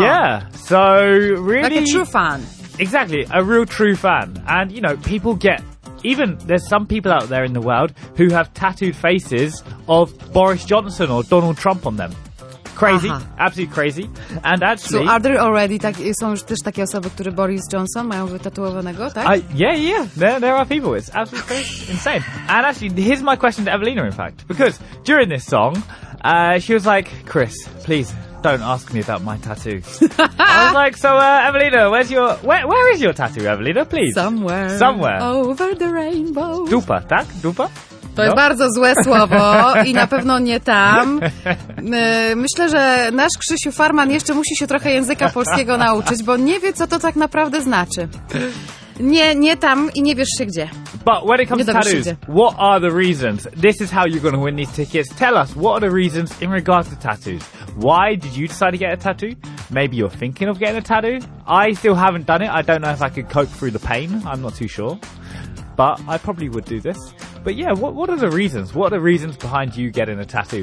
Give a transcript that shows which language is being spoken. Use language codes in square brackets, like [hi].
[en] Yeah, so really... Like a true fan. Exactly, a real true fan. And, you know, people get... Even there's some people out there in the world who have tattooed faces of Boris Johnson or Donald Trump on them. Crazy, absolutely crazy. And actually... So are there already... [pl] Są już też takie osoby, które Boris Johnson mają wytatuowanego, tak? [en] Yeah. There are people. It's absolutely crazy, insane. And actually, here's my question to Evelina, in fact. Because during this song, she was like, Chris, please... Don't ask me about my tattoo. I was like, so, Evelina, where is your tattoo, Evelina, please? Somewhere. Over the rainbow. [pl] Dupa, tak? Dupa? To jest bardzo złe słowo i na pewno nie tam. Myślę, że nasz Krzysiu Farman jeszcze musi się trochę języka polskiego nauczyć, bo nie wie, co to tak naprawdę znaczy. Nie tam i nie wiesz się gdzie. [en] But when it comes to tattoos, what are the reasons? This is how you're going to win these tickets. Tell us, what are the reasons in regards to tattoos? Why did you decide to get a tattoo? Maybe you're thinking of getting a tattoo. I still haven't done it. I don't know if I could cope through the pain. I'm not too sure. But I probably would do this. But yeah, what are the reasons? What are the reasons behind you getting a tattoo?